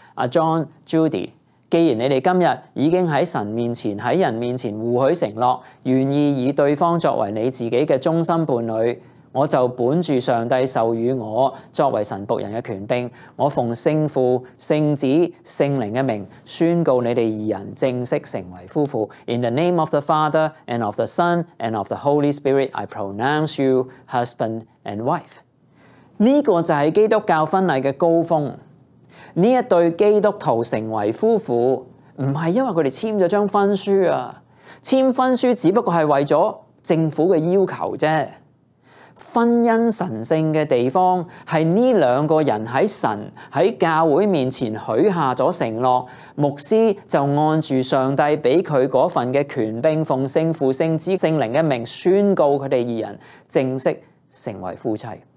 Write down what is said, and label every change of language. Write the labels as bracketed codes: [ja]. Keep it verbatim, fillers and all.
[yue] 阿 John、Judy， 既然你哋今日已經喺神面前、喺人面前互許承諾，願意以對方作為你自己嘅終身伴侶。我就本住上帝授予我作為神僕人嘅權柄，我奉聖父、聖子、聖靈嘅名宣告你哋二人正式成為夫婦。 [en] In the name of the Father and of the Son and of the Holy Spirit, I pronounce you husband and wife。 [yue] 呢個就係基督教婚禮嘅高峰。呢一對基督徒成為夫婦，唔係因為佢哋簽咗張婚書啊，簽婚書只不過係為咗政府嘅要求啫。婚姻神聖嘅地方係呢兩個人喺神喺教會面前許下咗承諾，牧師就按住上帝俾佢嗰份嘅權柄，奉聖父、聖子、聖靈嘅名宣告佢哋二人正式成為夫妻。